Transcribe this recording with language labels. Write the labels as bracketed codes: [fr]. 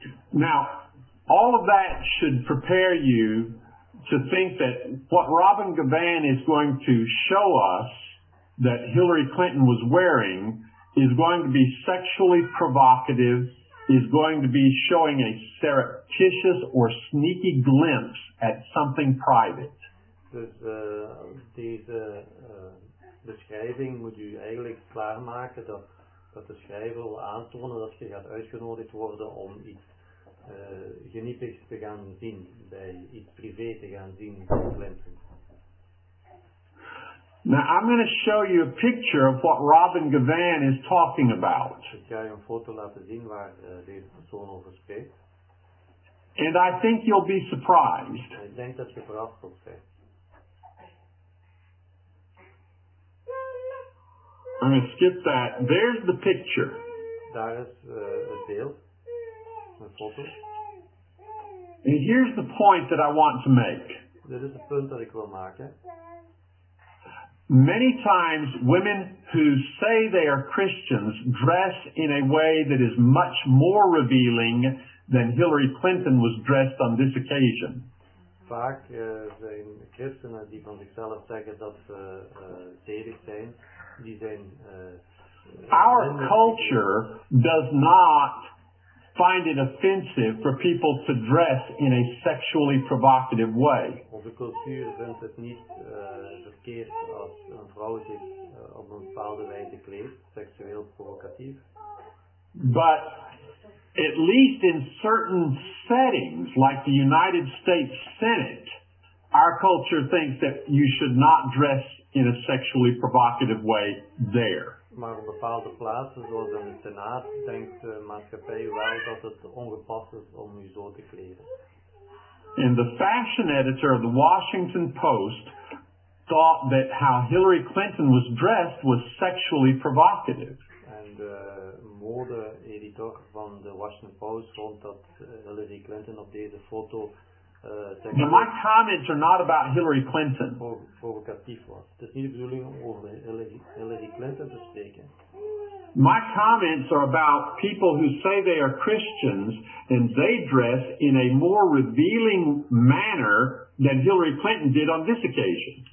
[en] Now, all of that should prepare you to think that what Robin Gavan is going to show us that Hillary Clinton was wearing is going to be sexually provocative, is going to be showing a surreptitious or sneaky glimpse at something private. [nl] Dus deze beschrijving moet u eigenlijk klaarmaken dat de schrijver wil aantonen dat je gaat uitgenodigd worden om iets geniepigs te gaan zien, bij iets privé te gaan zien van Clinton. [en] Now I'm going to show you a picture of what Robin Gavan is talking about. [nl] Ik ga je een foto laten zien waar deze persoon over spreekt. [en] And I think you'll be surprised. [nl] Ik denk dat je verrast zult zijn. [en] I'm going to skip that. There's the picture. [nl] Daar is het beeld. Een foto. [en] And here's the point that I want to make. [nl] Dit is het punt dat ik wil maken. [en] Many times women who say they are Christians dress in a way that is much more revealing than Hillary Clinton was dressed on this occasion. [nl] Vaak zijn christenen die van zichzelf zeggen dat ze zedig zijn, die zijn... [en] Our culture does not find it offensive for people to dress in a sexually provocative way. [nl] Onze cultuur vindt het niet verkeerd als een vrouw zich op een bepaalde wijze kleedt, seksueel provocatief. [en] But at least in certain settings, like the United States Senate, our culture thinks that you should not dress in a sexually provocative way there. [nl] Maar op bepaalde plaatsen, zoals in de Senaat, denkt de maatschappij wel dat het ongepast is om je zo te kleden. [en] And the fashion editor of the Washington Post thought that how Hillary Clinton was dressed was sexually provocative. [nl] En de mode-editor van de Washington Post vond dat Hillary Clinton op deze foto... [en] Now my comments are not about Hillary Clinton. [nl] Provocatief was. Het is niet de bedoeling om over Hillary Clinton te spreken. [en] My comments are about people who say they are Christians and they dress in a more revealing manner than Hillary Clinton did on this occasion.